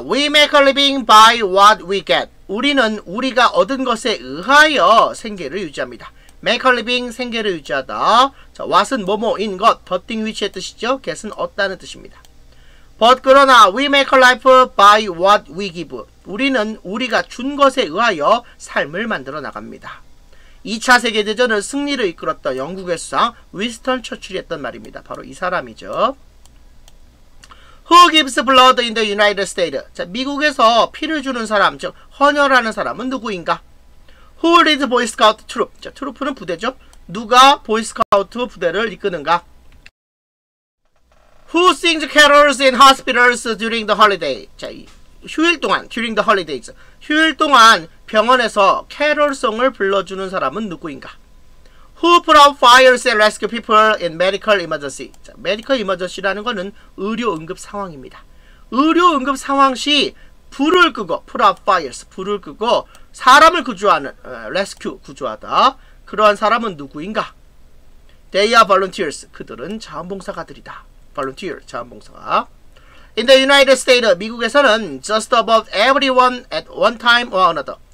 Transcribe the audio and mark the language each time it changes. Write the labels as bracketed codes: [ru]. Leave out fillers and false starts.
[en] We make a living by what we get. [ko] 우리는 우리가 얻은 것에 의하여 생계를 유지합니다. [en] Make a living, [ko] 생계를 유지하다. 자, what은 뭐뭐인 것, 더띵 위치의 뜻이죠. get은 얻다는 뜻입니다. [en] But [ko] 그러나 [en] we make a life by what we give. [ko] 우리는 우리가 준 것에 의하여 삶을 만들어 나갑니다. 2차 세계대전을 승리로 이끌었던 영국의 수상 윈스턴 처칠이 했던 말입니다. 바로 이 사람이죠. [en] Who gives blood in the United States? [ko] 자, 미국에서 피를 주는 사람, 즉 헌혈하는 사람은 누구인가? [en] Who leads Boy Scout troop? [ko] 자, 트루프는 부대죠. 누가 Boy Scout 부대를 이끄는가? [en] Who sings carols in hospitals during the holiday? [ko] 자, 휴일 동안, [en] during the holidays. [ko] 휴일 동안 병원에서 캐롤송을 불러주는 사람은 누구인가? [en] Who put out fires and rescue people in medical emergency? [ko] 자, medical emergency라는 것은 의료응급 상황입니다. 의료응급 상황 시 불을 끄고, [en] put out fires, [ko] 불을 끄고 사람을 구조하는, rescue, 구조하다. 그러한 사람은 누구인가? [en] They are volunteers. [ko] 그들은 자원봉사가들이다. Volunteer, 자원봉사가. In the United States, 미국에서는 just about everyone at one time or another.